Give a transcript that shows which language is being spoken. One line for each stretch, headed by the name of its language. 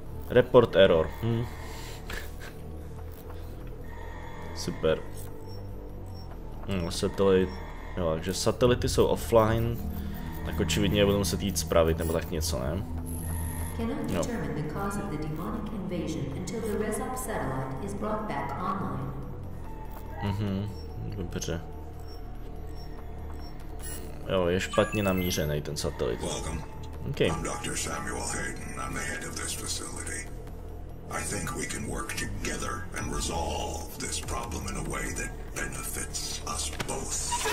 English: Report error.
Czech: Super. Satelit. Jo, takže satelity jsou offline. Tak očividně budu muset jít spravit, nebo tak něco, ne?
English: Cannot determine the cause of the demonic invasion until the Resop satellite is brought back online.
Czech: Dobře. Jo, je špatně namířený ten satelit.
English: Welcome. Okay. I'm Dr. Samuel Hayden. I'm the head of this facility. I think we can work together and resolve this problem in a way that benefits us both.